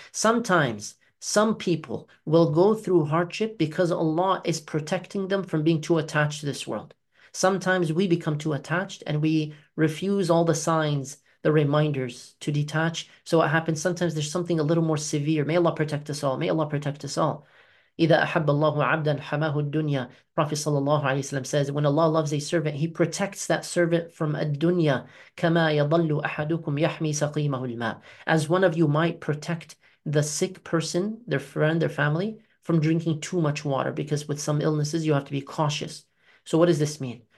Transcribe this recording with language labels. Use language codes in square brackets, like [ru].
[en] Sometimes, some people will go through hardship because Allah is protecting them from being too attached to this world. Sometimes we become too attached and we refuse all the signs, the reminders to detach. So what happens? Sometimes there's something a little more severe. May Allah protect us all. May Allah protect us all. [ar] إِذَا أَحَبَّ اللَّهُ عَبْدًا حَمَاهُ الدُّنْيَا. [en] Prophet sallallahu alayhi wa sallam says, when Allah loves a servant, He protects that servant from [ar] الدُّنْيَا كَمَا يَضَلُّ أَحَدُكُمْ يَحْمِي سَقِيمَهُ الْمَاءِ. [en] As one of you might protect the sick person, their friend, their family, from drinking too much water, because with some illnesses, you have to be cautious. So what does this mean?